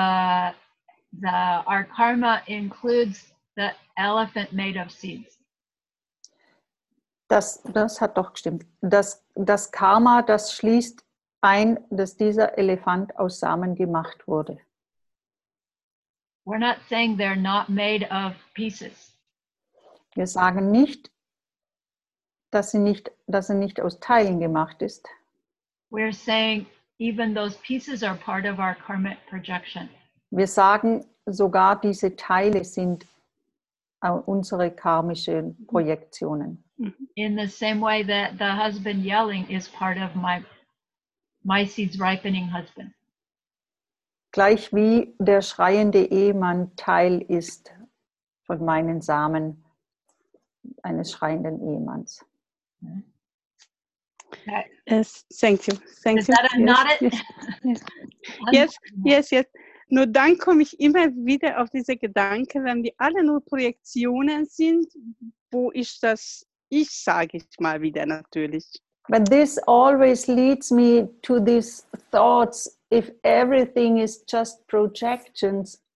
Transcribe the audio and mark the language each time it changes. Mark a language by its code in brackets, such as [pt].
[en] Our karma includes the elephant made of seeds. [de] Das hat doch gestimmt. Das Karma, das schließt ein, dass dieser Elefant aus Samen gemacht wurde. [en] We're not saying they're not made of pieces. [de] Wir sagen nicht, dass er nicht aus Teilen gemacht ist. [en] We're saying even those pieces are part of our karmic projection. [de] Wir sagen, sogar diese Teile sind unsere karmischen Projektionen. [en] In the same way that the husband yelling is part of my seeds ripening husband. [de] Gleich wie der schreiende Ehemann Teil ist von meinen Samen eines schreienden Ehemanns. [en] Yes, thank you. Thank is that you. A yes, not it? Yes. [de] Nur dann komme ich immer wieder auf diese Gedanken, wenn wir alle nur Projektionen sind, wo ist das Ich, sage ich mal wieder natürlich. [en] But this always leads me to these thoughts, if everything is just projections,